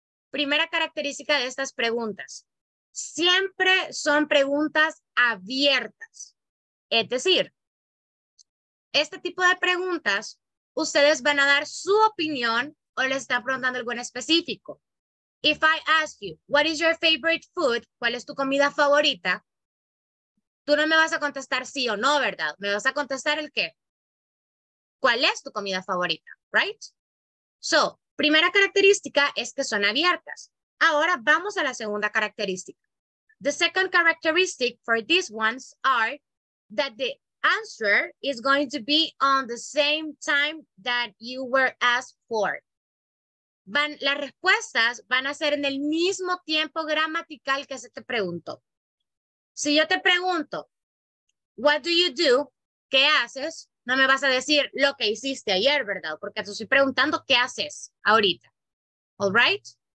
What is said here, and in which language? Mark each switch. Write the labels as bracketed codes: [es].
[es] Primera característica de estas preguntas. Siempre son preguntas abiertas. Es decir, este tipo de preguntas, ustedes van a dar su opinión o les están preguntando algo en específico. [en] If I ask you, what is your favorite food? [es] ¿Cuál es tu comida favorita? Tú no me vas a contestar sí o no, ¿verdad? Me vas a contestar el qué. ¿Cuál es tu comida favorita? [en] Right? [es] So, primera característica es que son abiertas. Ahora vamos a la segunda característica. [en] The second characteristic for these ones are that the answer is going to be on the same time that you were asked for. [es] Las respuestas van a ser en el mismo tiempo gramatical que se te preguntó. Si yo te pregunto, [en] what do you do? [es] ¿Qué haces? No me vas a decir lo que hiciste ayer, ¿verdad? Porque te estoy preguntando qué haces ahorita. [en] All right?